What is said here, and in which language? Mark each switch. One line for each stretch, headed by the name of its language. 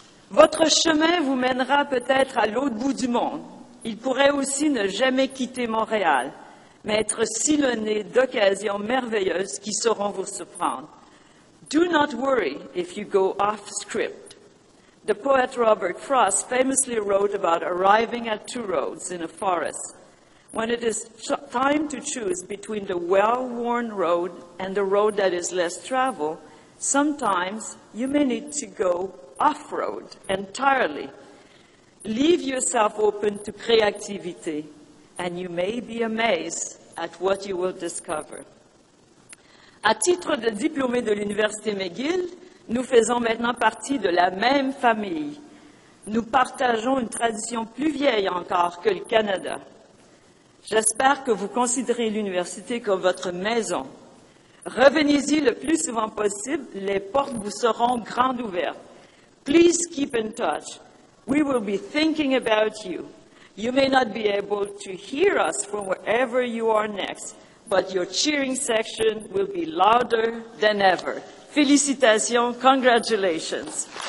French: Votre chemin vous mènera peut-être à l'autre bout du monde. Il pourrait aussi ne jamais quitter Montréal, mais être sillonné d'occasions merveilleuses qui sauront vous surprendre.
English: Do not worry if you go off script. The poet Robert Frost famously wrote about arriving at two roads in a forest. When it is time to choose between the well-worn road and the road that is less traveled, sometimes you may need to go off-road entirely. Leave yourself open to creativity, and you may be amazed at what you will discover.
French: À titre de diplômé de l'Université McGill, nous faisons maintenant partie de la même famille. Nous partageons une tradition plus vieille encore que le Canada. J'espère que vous considérez l'université comme votre maison. Revenez-y le plus souvent possible, les portes vous seront grandes ouvertes.
English: Please keep in touch. We will be thinking about you. You may not be able to hear us from wherever you are next, but your cheering section will be louder than ever.
French: Félicitations,
English: congratulations.